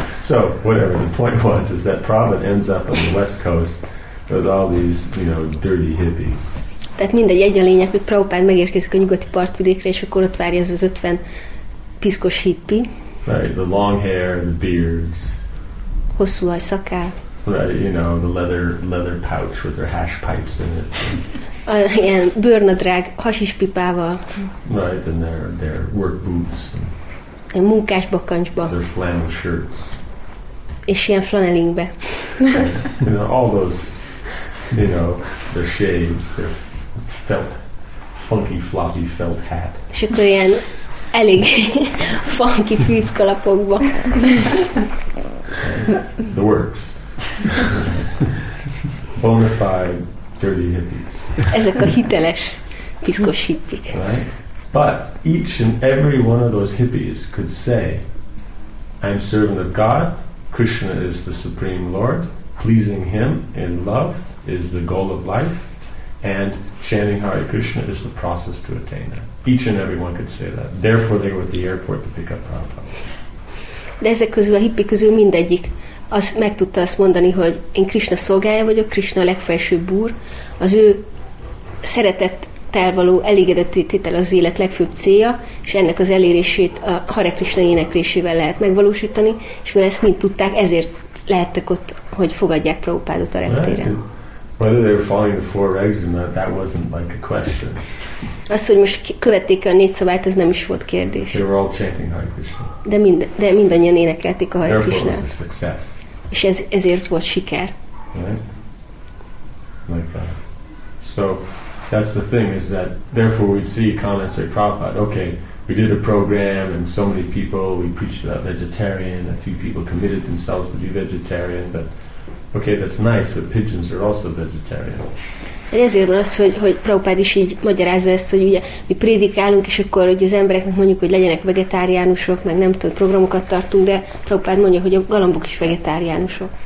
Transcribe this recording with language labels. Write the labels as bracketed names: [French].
[English] So, whatever, the point was, is that Prabhupada ends up on the West Coast with all these, you know, dirty hippies. [Hungarian] Tehát mindegy, egy a lényeg, hogy Prabhupád megérkezik a nyugati partvidékre, és akkor ott várja az 50 piszkos hippi. [English] Right, the long hair, the beards. [Hungarian] Hosszú haj, szakáll. [English] Right, you know, the leather pouch with their hash pipes in it. [Hungarian] Ilyen bőrnadrág, hasis pipával. [English] Right, and their work boots. [Hungarian] Ilyen munkás bakancsba. [English] Their flannel shirts. [Hungarian] És ilyen flanelingbe. [English] Right. You know, all those, you know, their shades, their felt, funky floppy felt hat. [Hungarian] És akkor ilyen elég funky fűzkalapokba. [English] The works. Bonafide dirty hippies. [Hungarian] Ezek a hiteles piszkos hippik. [English] Right? But each and every one of those hippies could say, I'm servant of God, Krishna is the Supreme Lord, pleasing him in love is the goal of life, and chanting Hare Krishna is the process to attain that. Each and every one could say that. Therefore, they were at the airport to pick up Prabhupada. [Hungarian] De ezek közül, a hippi közül mindegyik azt meg tudta azt mondani, hogy én Krishna szolgája vagyok, Krishna a legfelsőbb úr, az ő szeretettel való elégedettétel az élet legfőbb célja, és ennek az elérését a Hare Krishna éneklésével lehet megvalósítani, és mert ezt mind tudták, ezért lehettek ott, hogy fogadják Prabhupádot a reptéren. [English] Right. Whether they were following the four regs or not, that wasn't like a question. [Hungarian] Azt, hogy most követték a négy szabályt, ez nem is volt kérdés. [English] They were all chanting Hare Krishna. [Hungarian] De mindannyian énekelték a Hare Krishnát. [English] Therefore, it was a success. [Hungarian] És ezért volt siker. [English] Right? Like that. So, that's the thing, is that therefore we see comments by Prabhupada. Okay, we did a program and so many people, we preached about vegetarian, a few people committed themselves to be vegetarian, but okay, that's nice, but pigeons are also vegetarian. [Hungarian] Ezért van az, hogy Prabhupada is így magyarázza ezt, hogy ugye mi prédikálunk, és akkor hogy az embereknek mondjuk, hogy legyenek vegetáriánusok, meg nem tudom, programokat tartunk, de Prabhupada mondja, hogy a galambok is vegetáriánusok.